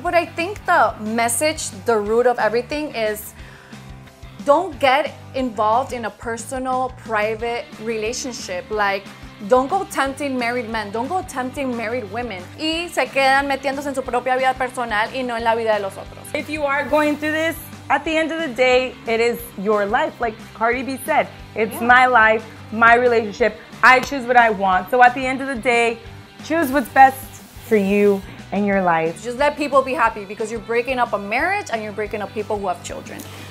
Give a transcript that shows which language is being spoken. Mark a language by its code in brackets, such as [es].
[en] But I think the message, the root of everything is don't get involved in a personal, private relationship. Like, Don't go tempting married men. Don't go tempting married women. [es] Y se quedan metiéndose en su propia vida personal y no en la vida de los otros. [en] If you are going through this, at the end of the day, it is your life. Like Cardi B said, it's my life, my relationship. I choose what I want. So at the end of the day, choose what's best for you and your life. Just let people be happy because you're breaking up a marriage and you're breaking up people who have children.